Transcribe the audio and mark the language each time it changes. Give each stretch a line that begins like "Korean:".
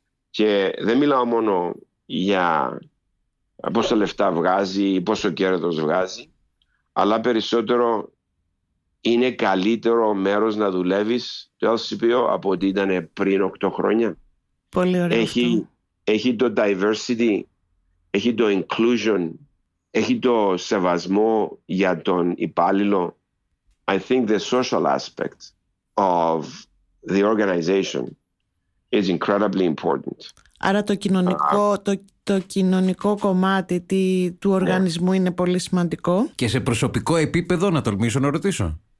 Greek: Και δεν μιλάω μόνο για πόσα λεφτά βγάζει ή πόσο κέρδος βγάζει, αλλά περισσότερο είναι καλύτερο μέρος να δουλεύεις το LCBO από ό,τι ήταν πριν 8 χρόνια. Πολύ ωραία. Έχει το diversity, έχει το inclusion, έχει το σεβασμό για τον υπάλληλο.
English: I think the social aspect of the organization is incredibly important.
Greek: Άρα το κοινωνικό κομμάτι του οργανισμού είναι πολύ σημαντικό. Και σε προσωπικό επίπεδο, να τολμήσω να ρωτήσω.